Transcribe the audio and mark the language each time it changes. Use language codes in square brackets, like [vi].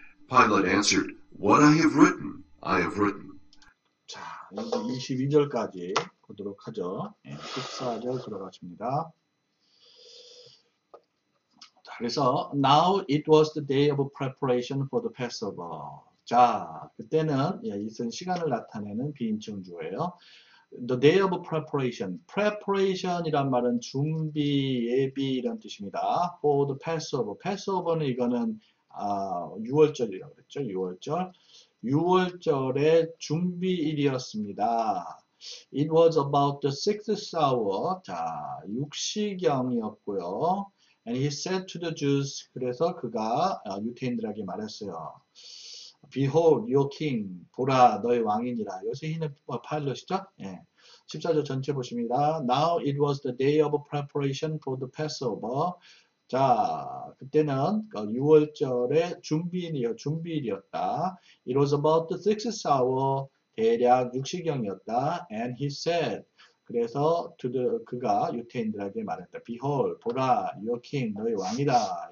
[en] Pilate answered, "What I have written, I have written." [ko] 자, 22절까지 보도록 하죠. 14절 들어가십니다. 그래서 [en] now it was the day of preparation for the Passover. [ko] 자, 그때는 이것은 시간을 나타내는 비인칭 주어예요. The day of preparation. preparation이란 말은 준비, 예비 이런 뜻입니다. [en] for the Passover. [ko] Passover는 이거는 유월절이라고 그랬죠. 유월절. 유월절의 준비일이었습니다. [en] It was about the sixth hour. [ko] 자, 6시경이었고요. [en] And he said to the Jews, [ko] 그래서 그가 유태인들에게 말했어요. [en] Behold, your king. [ko] 보라, 너의 왕이니라. 여기서 히는 파일럿이죠? 예. 14절 전체 보십니다. [en] Now it was the day of preparation for the Passover. [ko] 자, 그때는 유월절의 준비일이었다. [en] It was about the sixth hour, [ko] 대략 6시경이었다. [en] And he said, [ko] 그래서 그가 유태인들에게 말했다. [en] Behold, 보라, your king, [ko] 너의 왕이다.